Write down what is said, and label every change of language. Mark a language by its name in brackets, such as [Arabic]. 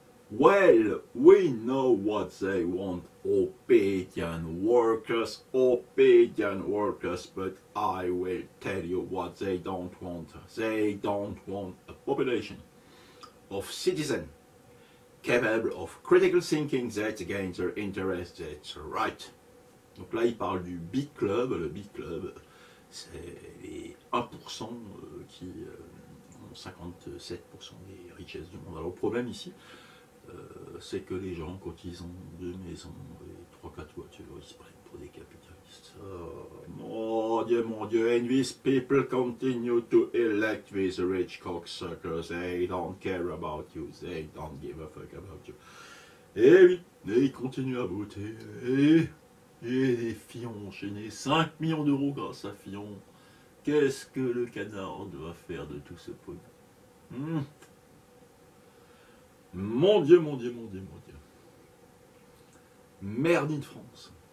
[English] Well, we know what they want, obedient workers, obedient workers, but I will tell you what they don't want. They don't want a population of citizens capable of critical thinking that's against their interests, that's right. [French] Donc là, il parle du Big Club. Le Big Club, c'est les 1% qui ont 57% des richesses du monde. Alors le problème ici, c'est que les gens, quand ils ont deux maisons et 3-4 voitures, ils se prennent pour des capitalistes. Mon Dieu, [English] and these people continue to elect these rich cocksuckers. They don't care about you, they don't give a fuck about you. [French] Et oui, et ils continuent à voter. Et les Fillons ont enchaîné 5 millions d'euros grâce à Fillon. Qu'est-ce que le canard doit faire de tout ce pognon? Mon Dieu, mon Dieu, mon Dieu, mon Dieu. Merde de France.